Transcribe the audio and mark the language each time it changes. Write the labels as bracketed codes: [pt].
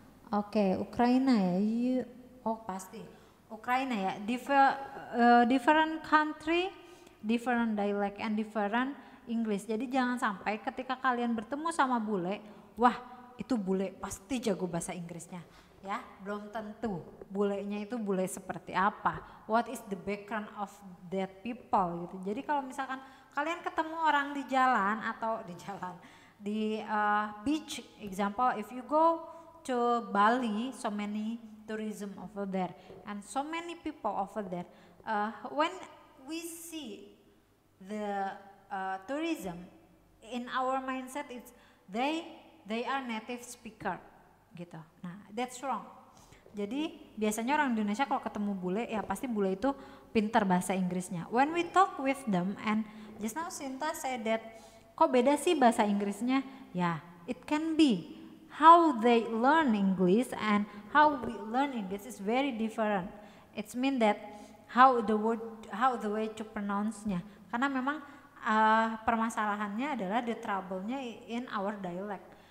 [id] Oke, okay, Ukraina ya. Pasti. Ukraina ya. [en] Different country, different dialect and different English. [id] Jadi jangan sampai ketika kalian bertemu sama bule, wah, itu bule pasti jago bahasa Inggrisnya. Ya, belum tentu. Bulenya itu bule seperti apa? [en] What is the background of that people [id] gitu. Jadi kalau misalkan kalian ketemu orang di jalan atau di jalan di beach, [en] example if you go to Bali, so many tourism over there, and so many people over there. When we see the tourism, in our mindset it's they are native speaker [id] gitu. [en] Nah, that's wrong. [id] Jadi biasanya orang Indonesia kalau ketemu bule, ya pasti bule itu pintar bahasa Inggrisnya. [en] When we talk with them, and just now Sinta said that, [id] kok beda sih bahasa Inggrisnya? [en] Ya, it can be how they learn English and how we learn English is very different. It mean that how the way to pronounce-nya. [id] Karena memang permasalahannya adalah the trouble-nya in our dialect.